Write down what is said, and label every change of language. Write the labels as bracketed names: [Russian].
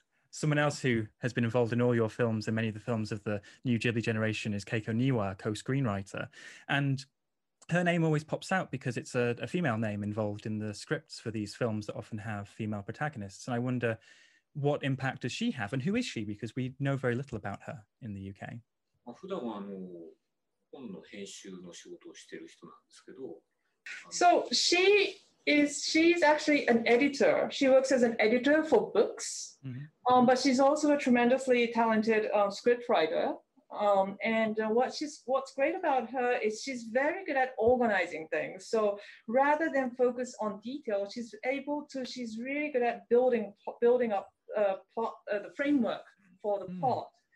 [English] Someone else who has been involved in all your films and many of the films of the new Ghibli generation is Keiko Niwa, co-screenwriter. And her name always pops out because it's a female name involved in the scripts for these films that often have female protagonists. And I wonder, what impact does she have? And who is she? Because we know very little about her in the UK. [Japanese] まあ、普段はあの本の編集の仕事をしている人なんですけど、 [English] So she's actually an editor. She works as an editor for books, but she's also a tremendously talented scriptwriter. What's great about her is she's very good at organizing things. So rather than focus on detail, she's really good at building up the framework for the plot.